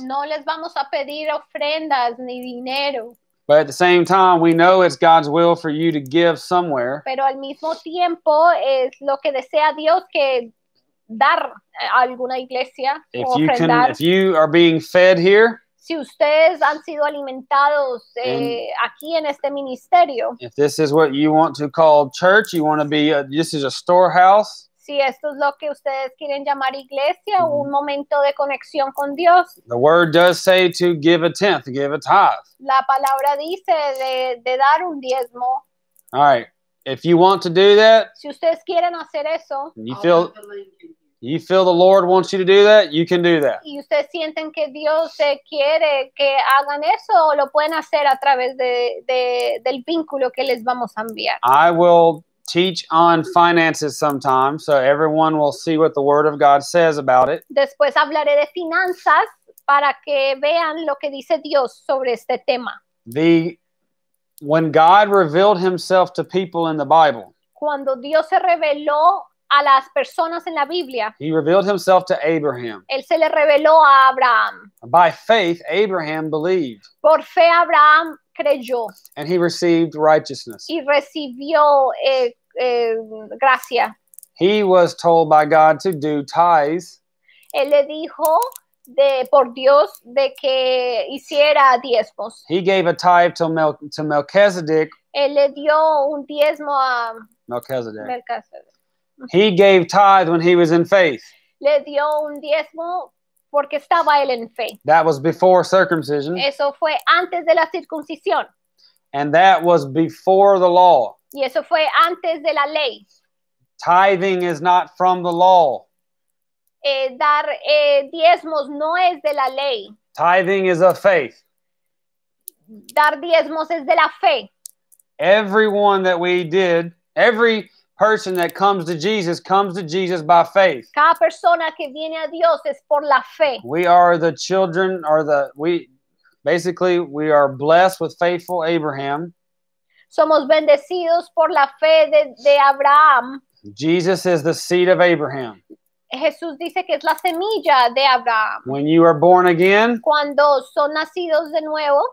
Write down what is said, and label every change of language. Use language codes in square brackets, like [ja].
[es] No les vamos a pedir ofrendas ni dinero. [en] But at the same time, we know it's God's will for you to give somewhere. [es] Pero al mismo tiempo es lo que desea Dios que dar a alguna iglesia. [en] If you can, if you are being fed here. [es] Si ustedes han sido alimentados aquí en este ministerio. [en] If this is what you want to call church, you want to be, this is a storehouse. [es] Si esto es lo que ustedes quieren llamar iglesia, mm-hmm. un momento de conexión con Dios. [en] The word does say to give a tenth, give a tithe. [es] La palabra dice de dar un diezmo. [en] All right, if you want to do that. [es] Si ustedes quieren hacer eso. [en] You feel the Lord wants you to do that, you can do that. [es] Y ustedes sienten que Dios quiere que hagan eso, o lo pueden hacer a través del vínculo que les vamos a enviar. [en] I will teach on finances sometime, so everyone will see what the Word of God says about it. [es] Después hablaré de finanzas para que vean lo que dice Dios sobre este tema. [en] When God revealed himself to people in the Bible, [es] cuando Dios se reveló a las personas en la Biblia. [en] He revealed himself to Abraham. [es] Él se le reveló a Abraham. [en] By faith, Abraham believed. [es] Por fe, Abraham creyó. [en] And he received righteousness. [es] Y recibió gracia. [en] He was told by God to do tithes. [es] Él le dijo por Dios de que hiciera diezmos. [en] He gave a tithe to Melchizedek. [es] Él le dio un diezmo a Melchizedek. [en] He gave tithe when he was in faith. [es] Le dio un diezmo porque estaba él en fe. [en] That was before circumcision. [es] Eso fue antes de la circuncisión. [en] And that was before the law. [es] Y eso fue antes de la ley. [en] Tithing is not from the law. [es] Dar diezmos no es de la ley. [en] Tithing is of faith. [es] Dar diezmos es de la fe. [en] Everyone that we did, every person that comes to Jesus by faith. [es] Cada persona que viene a Dios es por la fe. [en] We are the children, we are blessed with faithful Abraham. [es] Somos bendecidos por la fe de Abraham. [en] Jesus is the seed of Abraham. [es] Jesús dice que es la semilla de Abraham. [en] When you are born again, [es] cuando son nacidos de nuevo,